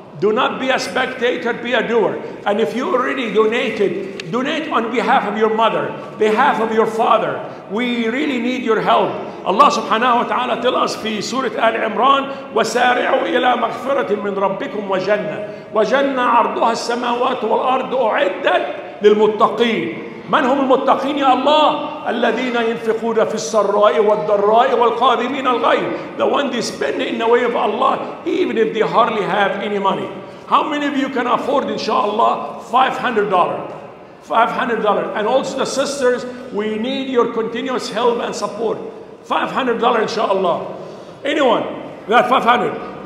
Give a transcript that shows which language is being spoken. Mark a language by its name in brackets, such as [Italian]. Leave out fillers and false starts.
[English] Do not be a spectator, be a doer. And if you already donated, donate on behalf of your mother, behalf of your father. We really need your help. Allah subhanahu wa ta'ala tell us in Surah Al-Imran, [Arabic] وَسَارِعُوا إِلَى مَغْفِرَةٍ مِّنْ رَبِّكُمْ وَجَنَّةٍ وَجَنَّةٍ عَرْضُهَا السَّمَاوَاتُ وَالْأَرْضُ أُعِدَّتْ لِلْمُتَّقِينَ. من هم المتقين يا الله؟ الذين ينفقون في السراء والضراء والقادمين الغيظ. [English] The one they spend in the way of Allah, even if they hardly have any money. How many of you can afford, inshallah, $500? $500. And also the sisters, we need your continuous help and support. $500, inshallah. Anyone? That 500.